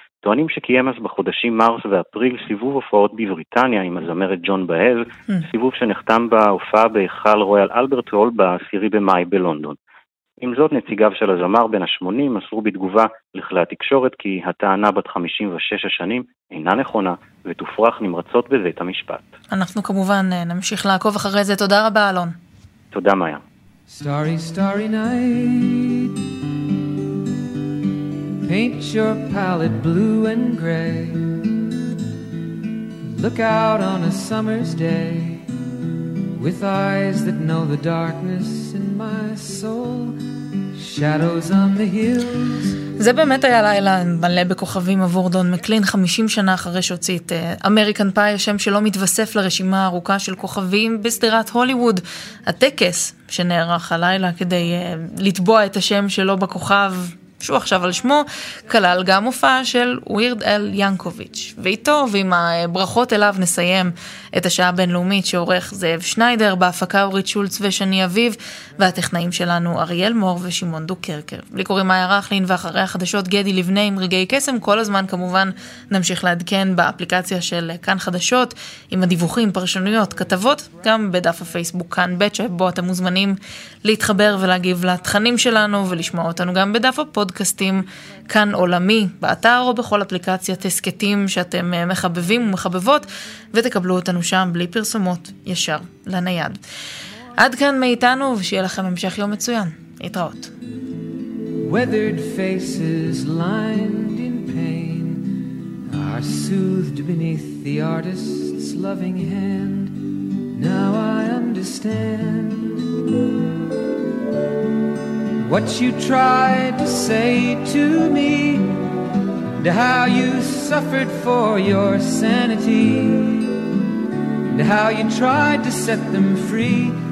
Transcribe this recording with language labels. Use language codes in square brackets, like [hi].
[he] טוענים שקיים אז בחודשים מרס ואפריל סיבוב הופעות בבריטניה עם הזמרת ג'ון באהל, סיבוב שנחתם בהופעה בהיכל רויאל אלברט הול ב-10 במאי בלונדון. עם זאת, נציגיו של הזמר בן ה-80 מסרו בתגובה לכלי התקשורת כי הטענה בת 56 השנים אינה נכונה ותופרך נמרצות בבית המשפט. אנחנו כמובן נמשיך לעקוב אחרי זה. תודה רבה, אלון. תודה, מאיה. [en] Starry, starry night, paint your palette blue and gray, look out on a summer's day, with eyes that know the darkness in my soul, shadows on the hills. [he] זה באמת היה לילה מלא בכוכבים עבור דון מקלין, 50 שנה אחרי שהוציאת אמריקן פאי, השם שלא מתווסף לרשימה הארוכה של כוכבים בסדרת הוליווד. הטקס שנערך הלילה כדי לטבוע את השם שלו בכוכב שהוא עכשיו על שמו, כלל גם הופעה של ווירד אל ינקוביץ'. ואיתו ועם הברכות אליו נסיים את השעה הבינלאומית שעורך זאב שניידר, בהפקה אורית שולץ ושני אביב, והטכנאים שלנו אריאל מור ושימון דו קרקר. בלי קוראים מאיה רחלין, ואחרי החדשות גדי לבני עם רגעי קסם. כל הזמן כמובן נמשיך לעדכן באפליקציה של כאן חדשות, עם הדיווחים, פרשנויות, כתבות, גם בדף הפייסבוק כאן בית, שבו אתם מוזמנים להתחבר ולהגיב לתכנים שלנו ולשמוע אותנו גם בדף הפודקאסטים כאן עולמי, באתר או בכל אפליקציית הסקטים שאתם מחבבים ומחבבות, ותקבלו אותנו שם בלי פרסומות, ישר לנייד. עד כאן מאיתנו, ושיהיה לכם המשך יום מצוין. התראות. [en] Weathered faces lined in pain are soothed beneath the artist's loving hand. Now I understand what you tried to say to me, and how you suffered for your sanity, and how you tried to set them free.